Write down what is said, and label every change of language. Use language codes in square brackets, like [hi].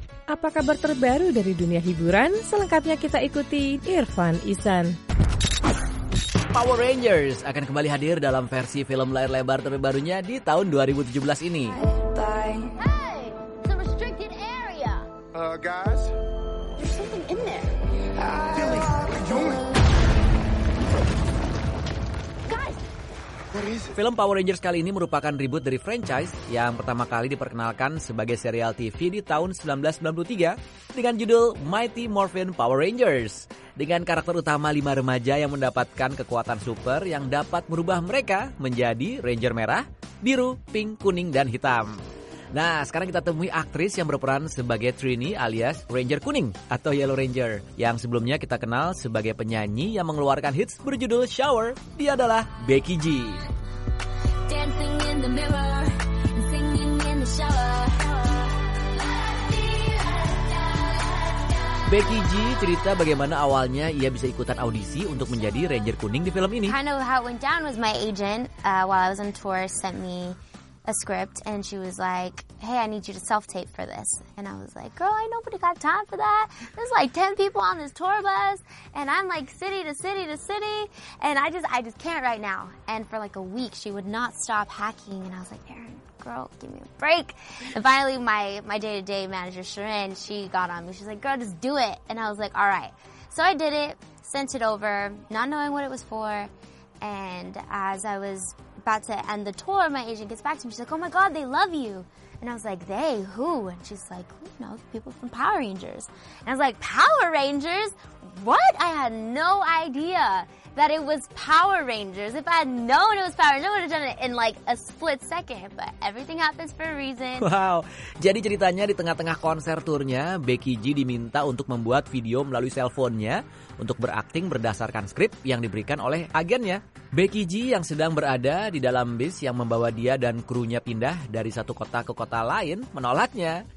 [id] Apa kabar terbaru dari dunia hiburan? Selengkapnya kita ikuti Irfan Ihsan. Power Rangers akan kembali hadir dalam versi film layar lebar terbarunya di tahun 2017 ini. [en] Bye. Hey, the restricted area. Guys, there's something in there. Billy, what are you doing? [id] Film Power Rangers kali ini merupakan reboot dari franchise yang pertama kali diperkenalkan sebagai serial TV di tahun 1993 dengan judul Mighty Morphin Power Rangers. Dengan karakter utama 5 remaja yang mendapatkan kekuatan super yang dapat merubah mereka menjadi Ranger Merah, Biru, Pink, Kuning, dan Hitam. Nah, sekarang kita temui aktris yang berperan sebagai Trini alias Ranger Kuning atau Yellow Ranger, yang sebelumnya kita kenal sebagai penyanyi yang mengeluarkan hits berjudul Shower. Dia adalah Becky G. [en] Dancing in the mirror, singing in the shower. [id] Becky G cerita bagaimana awalnya ia bisa ikutan audisi untuk menjadi Ranger Kuning di film ini. [en] Kind of how it went down was my agent, while I was on tour, sent me a script and she was like, hey, I need you to self-tape for this. And I was like, girl, I nobody got time for that. There's like 10 people on this tour bus and I'm like city to city to city and I just can't right now. And for like a week she would not stop hacking and I was like, Aaron, girl, give me a break. And finally my day-to-day manager Sharon, she got on me. She's like, girl, just do it. And I was like, all right. So I did it, sent it over, not knowing what it was for. And as I was about to end the tour, my agent gets back to me. She's like, oh my God, they love you. And I was like, they? Who? And she's like, you know, people from Power Rangers. And I was like, Power Rangers? What? I had no idea that it was Power Rangers. If I had known it was Power Rangers, I would have done it in like a split second. But everything happens for a reason. Wow. [id] Jadi ceritanya di tengah-tengah konser turnya, Becky G diminta untuk membuat video melalui cellphone-nya untuk berakting berdasarkan skrip yang diberikan oleh agennya. Becky G yang sedang berada di dalam bis yang membawa dia dan krunya pindah dari satu kota ke kota lain menolaknya.